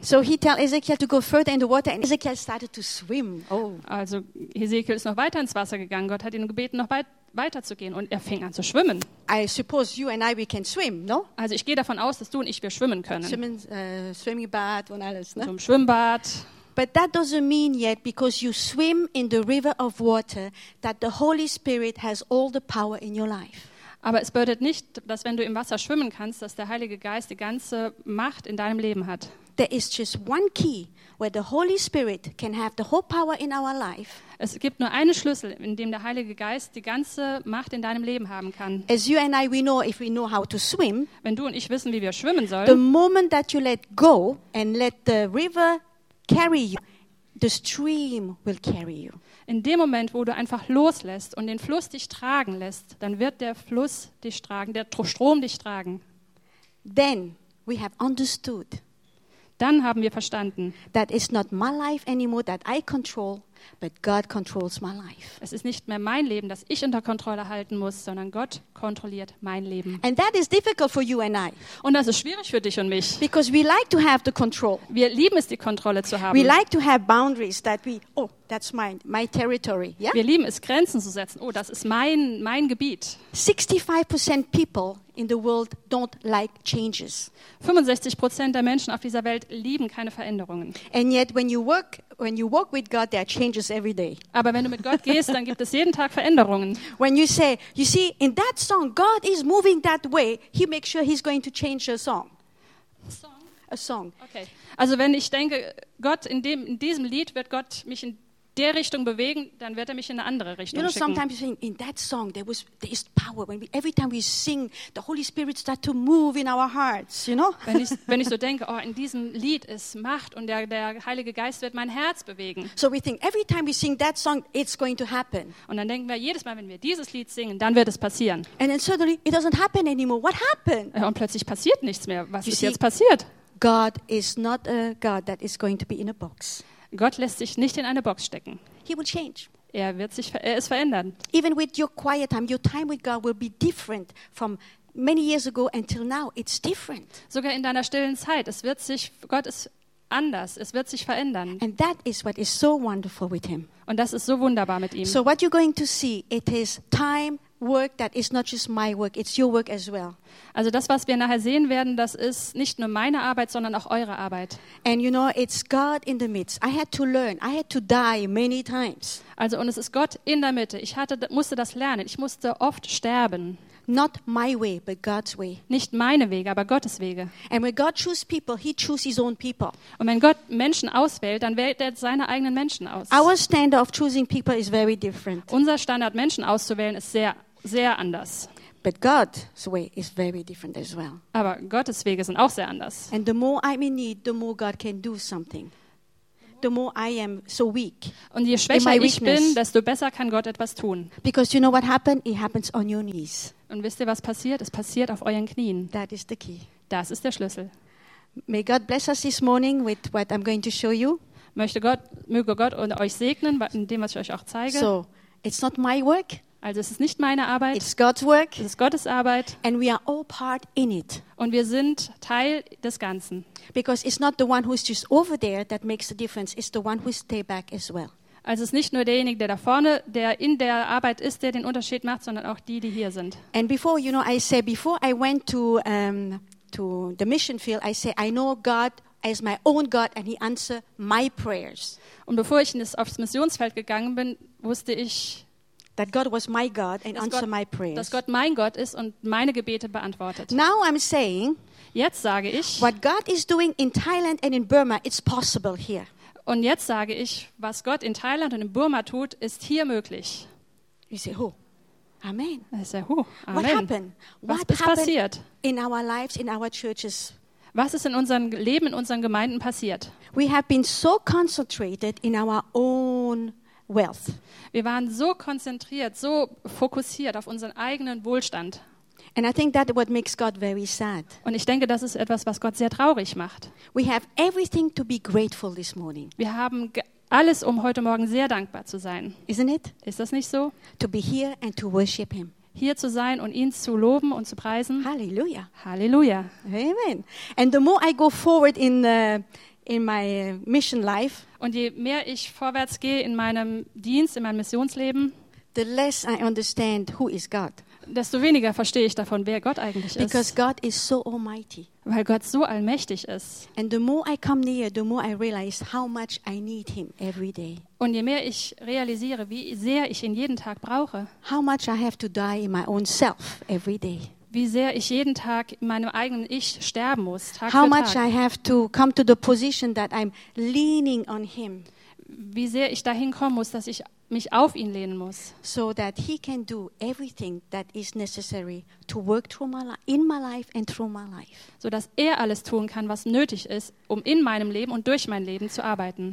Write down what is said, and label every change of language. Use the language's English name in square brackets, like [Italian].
[English] So he tell Ezekiel to go further in the water and Ezekiel started to swim. Oh. [German] Also Ezekiel ist noch weiter ins Wasser gegangen. Gott hat ihn gebeten, noch weiterzugehen und er fing an zu schwimmen. [English] I suppose you and I we can swim, no? [German] Also ich gehe davon aus, dass du und ich wir schwimmen können. [English] Swimming bath [German] und alles, ne? Zum Schwimmbad. [English] But that doesn't mean yet because you swim in the river of water that the Holy Spirit has all the power in your life. [German] Aber es bedeutet nicht, dass wenn du im Wasser schwimmen kannst, dass der Heilige Geist die ganze Macht in deinem Leben hat. [English] There is just one key where the Holy Spirit can have the whole power in our life. [German] Es gibt nur einen Schlüssel, in dem der Heilige Geist die ganze Macht in deinem Leben haben kann. [English] As you and I, we know if we know how to swim. [German] Wenn du und ich wissen, wie wir schwimmen sollen. [English] The moment that you let go and let the river carry you, the stream will carry you. [German] In dem Moment, wo du einfach loslässt und den Fluss dich tragen lässt, dann wird der Fluss dich tragen, der Strom dich tragen. [English] Then we have understood. [German] Dann haben wir verstanden. [English] That is not my life anymore that I control, but God controls my life. [German] Es ist nicht mehr mein Leben, das ich unter Kontrolle halten muss, sondern Gott kontrolliert mein Leben. [English] And that is difficult for you and I. [German] Und das ist schwierig für dich und mich. [English] Because we like to have the control. [German] Wir lieben es, die Kontrolle zu haben. [English] We like to have boundaries that we oh, that's my territory, yeah? [German] Wir lieben es, Grenzen zu setzen. Oh, das ist mein Gebiet. [English] 65% people in the world don't like changes. [German] 65% der Menschen auf dieser Welt lieben keine Veränderungen. [English] And yet when you walk with God, there are changes every day. [German] Aber wenn du mit Gott gehst, dann gibt es jeden Tag Veränderungen. [English] When you say, you see, in that song, God is moving that way, he makes sure he's going to change the song. A song. Okay. [German] Also wenn ich denke, Gott in diesem Lied wird Gott mich in der Richtung bewegen, dann wird er mich in eine andere Richtung schicken. [English] You know, sometimes you think in that song there is power. Every time we sing, the Holy Spirit starts to move in our hearts. You know? [German] Wenn ich so denke, oh, in diesem Lied ist Macht und der Heilige Geist wird mein Herz bewegen. [English] So we think every time we sing that song, it's going to happen. [German] Und dann denken wir jedes Mal, wenn wir dieses Lied singen, dann wird es passieren. [English] And then suddenly it doesn't happen anymore. What happened? [German] Und plötzlich passiert nichts mehr. Was ist jetzt passiert? [English] God is not a God that is going to be in a box. [German] Gott lässt sich nicht in eine Box stecken. [English] He will change. [German] Er ist verändern. [English] Even with your quiet time, your time with God will be different from many years ago until now. It's different. [German] Sogar in deiner stillen Zeit, Gott ist anders. Es wird sich verändern. [English] And that is what is so wonderful with him. [German] Und das ist so wunderbar mit ihm. [English] So what you're going to see, it is time work that is not just my work, it's your work as well. [German] Also das, was wir nachher sehen werden, das ist nicht nur meine Arbeit, sondern auch eure Arbeit. [English] And you know, it's God in the midst. I had to learn. I had to die many times. [German] Also und es ist Gott in der Mitte. Ich musste das lernen. Ich musste oft sterben. [English] Not my way, but God's way. [German] Nicht meine Wege, aber Gottes Wege. [English] And when God chooses people, he chooses his own people. [German] Und wenn Gott Menschen auswählt, dann wählt er seine eigenen Menschen aus. [English] Our standard of choosing people is very different. [German] Unser Standard, Menschen auszuwählen, ist sehr, sehr anders. [English] But God's way is very different as well. [German] Aber Gottes Wege sind auch sehr anders. [English] And the more I'm in need, the more God can do something. The more I am so weak. [German] Und je schwächer ich bin, desto besser kann Gott etwas tun. [English] Because you know what happened? It happens on your knees. [German] Und wisst ihr, was passiert? Es passiert auf euren Knien. [English] That is the key. [German] Das ist der Schlüssel. [English] May God bless us this morning with what I'm going to show you. [German] Möge Gott euch segnen, indem was ich euch auch zeige. [English] So, it's not my work. [German] Also es ist nicht meine Arbeit. [English] It's God's work. [German] Es ist Gottes Arbeit. [English] And we are all part in it. [German] Und wir sind Teil des Ganzen. [English] Because it's not the one who's just over there that makes the difference. It's the one who stay back as well. [German] Also es ist nicht nur derjenige, der da vorne, der in der Arbeit ist, der den Unterschied macht, sondern auch die, die hier sind. [English] And before, you know, I say, before I went to the mission field, I say, I know God as my own God and he answers my prayers. [German] Und bevor ich aufs Missionsfeld gegangen bin, wusste ich, [English] that God was my God and answer my prayers. [German] Dass Gott mein Gott ist und meine Gebete beantwortet. [English] Now I'm saying, [German] jetzt sage ich, [English] what God is doing in Thailand and in Burma, it's possible here. [German] Und jetzt sage ich, was Gott in Thailand und in Burma tut, ist hier möglich. [English] You say, oh, amen. I say, oh, amen. What happened? [German] Was ist passiert? [English] In our lives, in our churches. [German] Was ist in unserem Leben, in unseren Gemeinden passiert? [English] We have been so concentrated in our own wealth. [German] Wir waren so konzentriert, so fokussiert auf unseren eigenen Wohlstand. [English] And I think that what makes God very sad. [German] Und ich denke, das ist etwas, was Gott sehr traurig macht. [English] We have everything to be grateful this morning. [German] Wir haben alles, um heute Morgen sehr dankbar zu sein. [English] Isn't it? [German] Ist das nicht so? [English] To be here and to worship him. [German] Hier zu sein und ihn zu loben und zu preisen. Halleluja. Halleluja. Amen. [English] And the more I go forward in my mission life. [German] Und je mehr ich vorwärts gehe in meinem Dienst, in meinem Missionsleben, [English] the less I understand who is God. [German] Desto weniger verstehe ich davon, wer Gott eigentlich ist. [English] Because God is so almighty. [German] Weil Gott so allmächtig ist. [English] And the more I come near, the more I realize how much I need him every day. [German] Und je mehr ich realisiere, wie sehr ich ihn jeden Tag brauche. [English] How much I have to die in my own self every day. [German] Wie sehr ich jeden Tag in meinem eigenen Ich sterben muss, Tag für Tag. [English] How much I have to come to the position that I'm leaning on him. [German] Wie sehr ich dahin kommen muss, dass ich mich auf ihn lehnen muss, [English] so that he can do everything that is necessary to work through my in my life and through my life, [German] so dass er alles tun kann, was nötig ist, um in meinem Leben und durch mein Leben zu arbeiten.